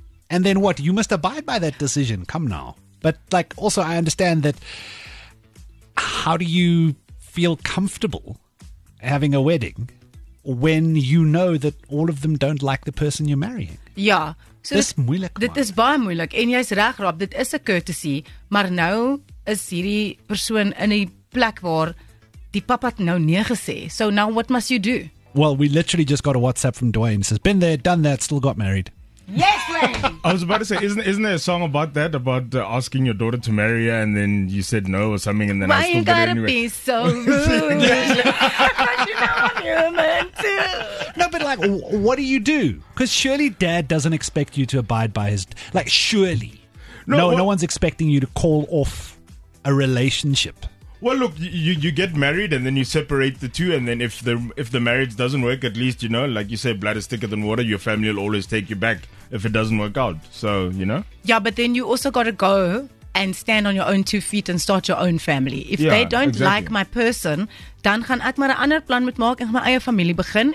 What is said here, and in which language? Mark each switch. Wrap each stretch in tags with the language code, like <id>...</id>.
<en>And then what? You must abide by that decision. Come now. But, like, also, I understand that. How do you feel comfortable having a wedding when you know that all of them don't like the person you're marrying? Yeah.</en> <af>So dis moeilik. Dit is baie moeilik. En jy's reg, Rob, dit is 'n courtesy, maar nou is hierdie persoon in 'n plek waar die pappa het nou nee gesê.</af> <en>So now what must you do? Well, we literally just got a WhatsApp from Dwayne. Says, "Been there, done that, still got married." Yes, Wayne. I was about to say, isn't there a song about that, about asking your daughter to marry her and then you said no or something, and then why I still got it anyway? Why you gotta be so rude? But you know I'm human too. No, but like, what do you do? Because surely dad doesn't expect you to abide by his, like, surely. No one's expecting you to call off a relationship. Well, look, you get married and then you separate the two, and then if the marriage doesn't work, at least, you know, like you say, blood is thicker than water. Your family will always take you back if it doesn't work out. So, you know. Yeah, but then you also got to go and stand on your own two feet and start your own family. If yeah, they don't exactly. like my person,</en> <af>dan gaan ek maar 'n ander plan met maak en my eie familie begin.</af>